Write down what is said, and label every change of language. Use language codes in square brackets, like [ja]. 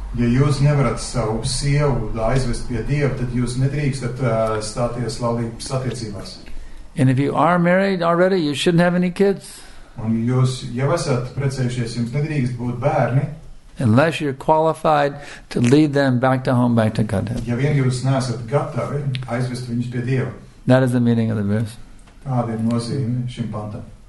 [lv] Ja jūs nevarat savu sievu aizvest pie Dieva, tad jūs nedrīkstat stāties laulības attiecībās. [en] And if you are married already, you shouldn't have any kids. [lv] Un jūs jau esat precējušies, jums nedrīkst būt bērni. [en] Unless you're qualified to lead them back to home, back to Godhead. [lv] Ja vien jūs neesat gatavi aizvest viņus pie Dieva. [en] That is the meaning of the verse. [lv] Tāda ir nozīme šim pantam.